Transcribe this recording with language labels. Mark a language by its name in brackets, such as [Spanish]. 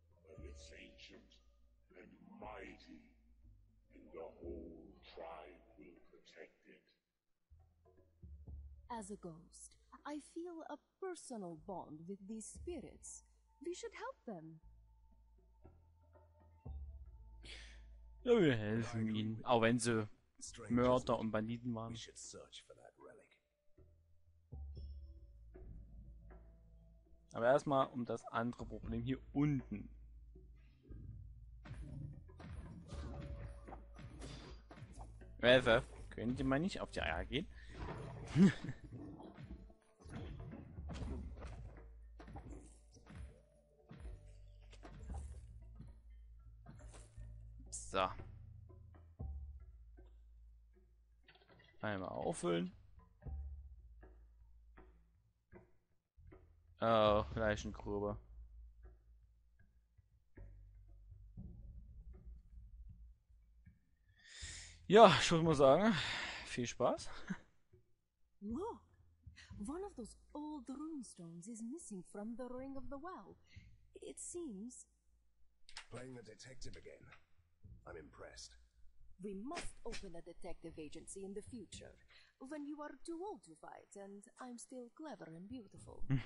[English] But it's ancient and mighty, and the whole tribe will protect it. As a ghost, I feel a personal bond with these spirits. We should help them. [German] Ja, wir helfen ihnen, auch wenn sie Mörder und Banditen waren. Wir sollten für diese Relik suchen. Aber erstmal um das andere Problem hier unten. Welfe, könnt ihr mal nicht auf die Eier gehen? So. Einmal auffüllen. Oh, Leichengrube. Ja, ich würde mal sagen, viel Spaß. [English] Look, one of those old runestones is missing from the Ring of the Well. It seems. Playing the detective again. I'm impressed. We must open a detective agency in the future, when you are too old to fight and I'm still clever and beautiful.